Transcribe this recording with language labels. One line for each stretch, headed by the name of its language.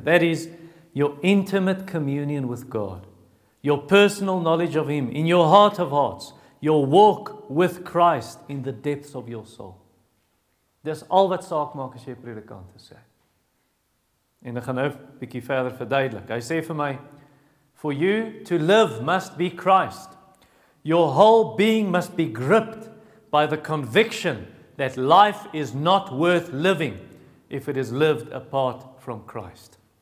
English: That is your intimate communion with God, your personal knowledge of Him, in your heart of hearts, your walk with Christ in the depths of your soul.
Afrikaans: Dis al wat saak maak as jy predikant is, sê. En ek gaan nou 'n bietjie verder verduidelik. Hy sê vir my,
English: for you to live must be Christ. Your whole being must be gripped by the conviction that life is not worth living if it is lived apart from Christ.